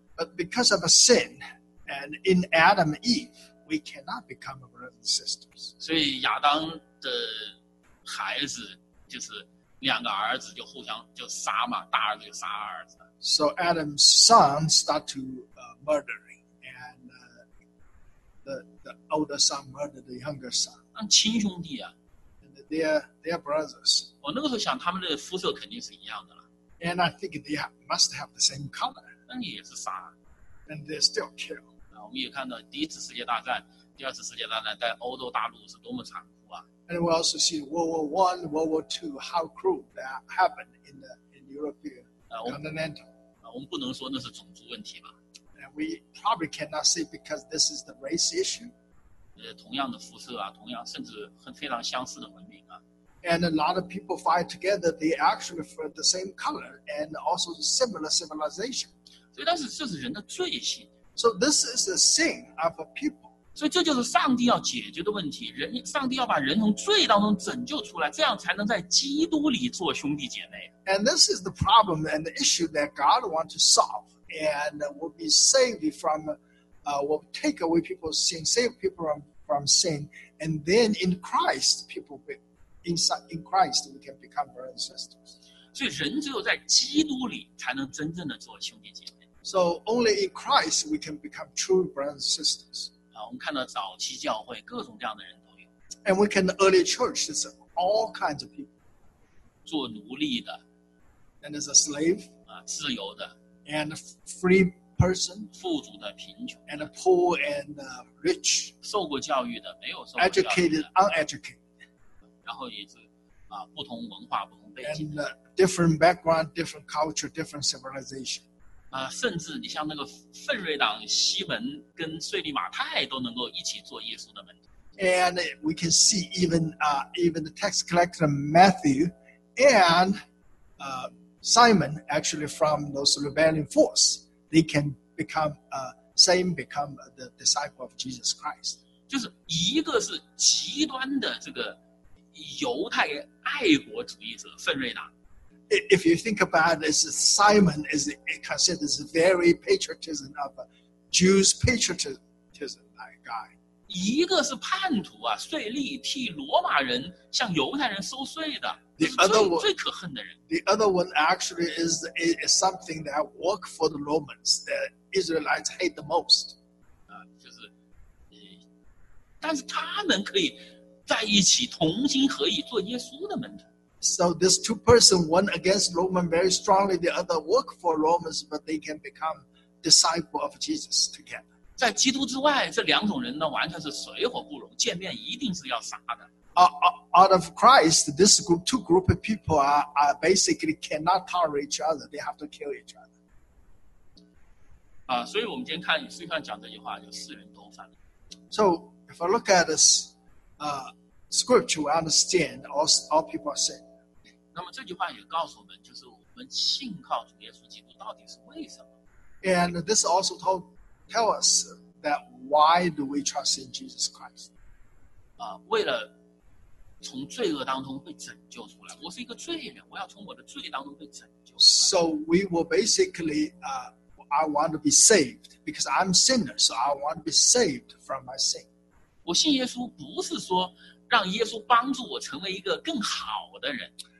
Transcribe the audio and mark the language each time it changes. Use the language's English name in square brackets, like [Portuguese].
[English] But because of a sin, and in Adam and Eve, we cannot become brothers and sisters. [Chinese] 所以亚当的孩子就是两个儿子就互相就杀嘛，大儿子就杀二儿子。 [English] So Adam's son start to murdering, and the older son murdered the younger son. [Chinese] 那亲兄弟啊 [English] ，and they are brothers. [Chinese] 我那个时候想，他们的肤色肯定是一样的了。 [English] And I think they must have the same color. [Chinese] 也是杀 [English] ，and they still kill。 [Chinese] 那我们也看到第一次世界大战、第二次世界大战在欧洲大陆是多么残酷啊 [English] ！And we also see World War One, World War Two, how cruel that happened in European continental。 [Chinese] 我们不能说那是种族问题吧 [English] ？And we probably cannot say because this is the race issue。 [Chinese] 同样的肤色啊，同样甚至很非常相似的文明啊。 [English] And a lot of people fight together. They actually for the same color and also similar civilization. [Chinese] 所以但是这是人的罪性。 [English] So this is a sin of a people. [Chinese] 所以这就是上帝要解决的问题。人，上帝要把人从罪当中拯救出来，这样才能在基督里做兄弟姐妹。 [English] And this is the problem and the issue that God wants to solve and will be saved from, will take away people's sin, save people from sin, and then in Christ, people in Christ we can become brothers and sisters. [Chinese] 所以人只有在基督里才能真正的做兄弟姐妹。 [English] So only in Christ we can become true brothers and sisters. [Chinese] 我们看到早期教会各种这样的人都有。 [English] And we can early church is all kinds of people. [Chinese] 做奴隶的。 [English] And as a slave. [Chinese] 自由的。 [English] And a free person. [Chinese] 富足的贫穷。 [English] And a poor and a rich. [Chinese] 受过教育的没有受过教育的。 [English] Educated, uneducated. [Chinese] 然后也是不同文化不同背景的。 [English] Different background, different culture, different civilization. [Chinese] 甚至你像那个奋锐党西门跟税利马太都能够一起做耶稣的门徒。 [English] And we can see even the tax collector Matthew and Simon actually from those rebellion force, they can become the disciple of Jesus Christ. [Chinese] 就是一个是极端的这个犹太爱国主义者奋锐党。 [English] If you think about this, Simon is considered a very patriotism of Jews patriotism type guy. [Chinese] 一个是叛徒啊，税吏替罗马人向犹太人收税的。 [English] The other one, [Chinese] 最可恨的人。 [English] The other one actually is something that worked for the Romans that Israelites hate the most. [Chinese] 就是，但是他们可以在一起同心合意做耶稣的门徒。 [English] So these two persons, one against Roman very strongly, the other work for Romans, but they can become disciple of Jesus together. [Chinese] 在基督之外，这两种人呢，完全是水火不容，见面一定是要杀的。 [English] Out of Christ, this group, two group of people are basically cannot tolerate each other. They have to kill each other. [Chinese] 所以我们今天看，虽然讲这句话，就世人都犯了。 [English] So if I look at this, Scripture, I understand all people are sin. [Chinese] 那么这句话也告诉我们，就是我们信靠主耶稣基督到底是为什么 [English] ？And this also tell us that why do we trust in Jesus Christ? [Chinese] 为了从罪恶当中被拯救出来。我是一个罪人，我要从我的罪当中被拯救出来。 [English] So we will basically, I want to be saved because I'm a sinner. So I want to be saved from my sin. [Chinese] 我信耶稣不是说让耶稣帮助我成为一个更好的人。